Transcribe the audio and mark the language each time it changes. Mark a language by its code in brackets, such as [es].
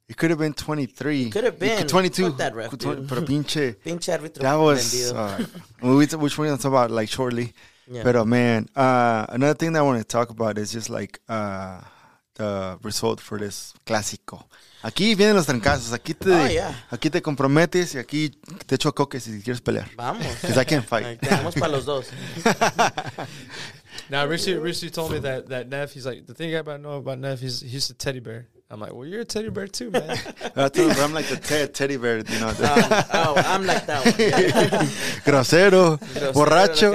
[en] It could have been 23. It could have been. 22. Put that ref, [es] pero pinche. Pinche árbitro. [en] That was, which we're going to talk about, like, shortly. Yeah. But, man, another thing that I want to talk about is just, like, the result for this Clásico. [es] Aquí vienen los trancazos. Aquí te, [en] oh, yeah. [es] Aquí te comprometes y aquí te choco que si quieres pelear. Vamos. [en] Because I can't fight. [es] Tenemos para los dos. [en] Now, Richie told me that Neff, he's like, the thing I know about Neff, he's a teddy bear. I'm like, well, you're a teddy bear too, man. I told him, I'm like the teddy bear, you know. I'm like that one. [es] Grosero, borracho.